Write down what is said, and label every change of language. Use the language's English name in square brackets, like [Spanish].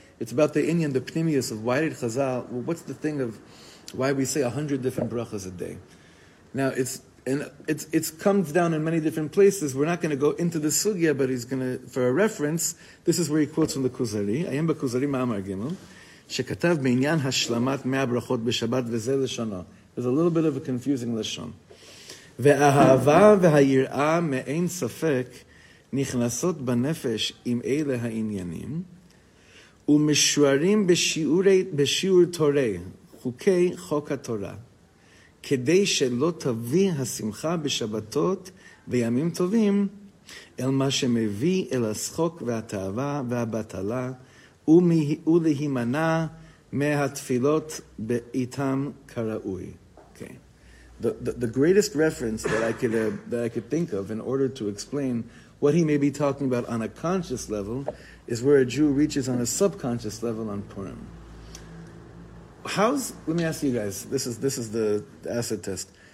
[English] It's about the Inyan, the pnimius of why did Chazal? Well, what's the thing of why we say 100 different brachas a day? Now it's comes down in many different places. We're not going to go into the sugya, but he's going to, for a reference. This is where he quotes from the Kuzari. [Hebrew] Ayem baKuzari Ma'amar Gimel. שכתב בעניין השלמת 100 ברכות בשבת וזה לשונו. [English] There's a little bit of a confusing לשון. [Hebrew] והאהבה והיראה מאין ספק נכנסות בנפש עם אלה העניינים ומשוערים בשיעור תורה, חוקי חוק התורה, כדי שלא תביא השמחה בשבתות וימים טובים אל מה שמביא אל השחוק והתאווה והבטלה ולהימנה מהתפילות בעיתם כראוי. [English] Okay. The greatest reference that I could think of in order to explain what he may be talking about on a conscious level is where a Jew reaches on a subconscious level on Purim. Let me ask you guys, this is the acid test.